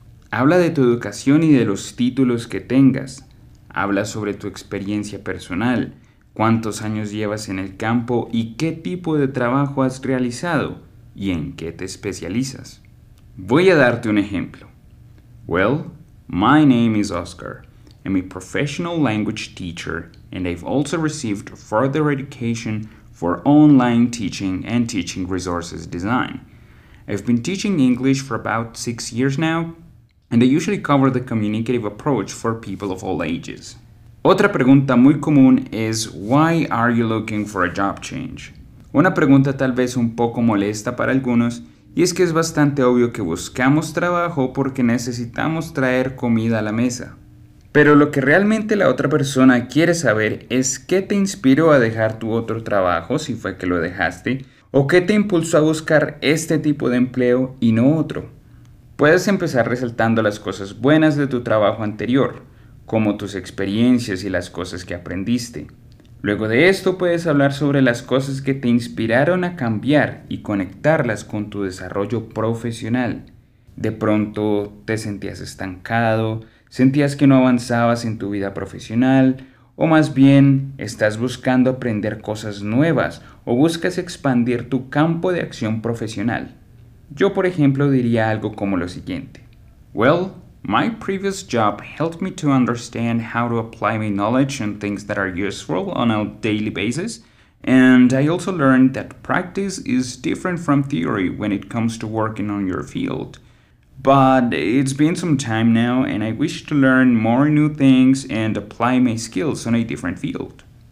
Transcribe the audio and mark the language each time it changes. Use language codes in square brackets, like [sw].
[es] Habla de tu educación y de los títulos que tengas. Habla sobre tu experiencia personal, cuántos años llevas en el campo y qué tipo de trabajo has realizado y en qué te especializas. Voy a darte un ejemplo. [en] Well, my name is Oscar. I'm a professional language teacher, and I've also received further education for online teaching and teaching resources design. I've been teaching English for about 6 years now, and I usually cover the communicative approach for people of all ages. [es] Otra pregunta muy común es, [en] why are you looking for a job change? [es] Una pregunta tal vez un poco molesta para algunos, y es que es bastante obvio que buscamos trabajo porque necesitamos traer comida a la mesa. Pero lo que realmente la otra persona quiere saber es qué te inspiró a dejar tu otro trabajo, si fue que lo dejaste, o qué te impulsó a buscar este tipo de empleo y no otro. Puedes empezar resaltando las cosas buenas de tu trabajo anterior, como tus experiencias y las cosas que aprendiste. Luego de esto puedes hablar sobre las cosas que te inspiraron a cambiar y conectarlas con tu desarrollo profesional. De pronto te sentías estancado, sentías que no avanzabas en tu vida profesional, o más bien, estás buscando aprender cosas nuevas o buscas expandir tu campo de acción profesional. Yo, por ejemplo, diría algo como lo siguiente. [en] Well, my previous job helped me to understand how to apply my knowledge and things that are useful on a daily basis, and I also learned that practice is different from theory when it comes to working on your field. But it's been some time now, and I wish to learn more new things and apply my skills on a different field.